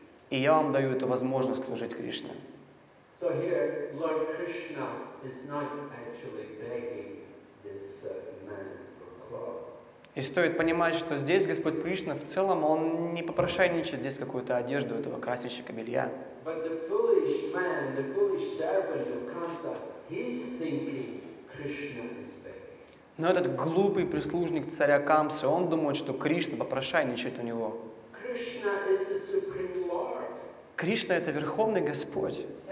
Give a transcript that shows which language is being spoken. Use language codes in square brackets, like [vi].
[ru] И я вам даю эту возможность служить Кришне. [en] So here, Lord Krishna is not actually begging this man for clothes. [ru] И стоит понимать, что здесь Господь Кришна в целом он не попрошайничает здесь какую-то одежду этого красильщика белья. [en] But the foolish man, the foolish servant of Kamsa, he's thinking Krishna is begging. [ru] Но этот глупый прислужник царя Камсы, он думает, что Кришна попрошайничает у него. [en] Krishna is the supreme lord. [ru] Кришна это верховный Господь.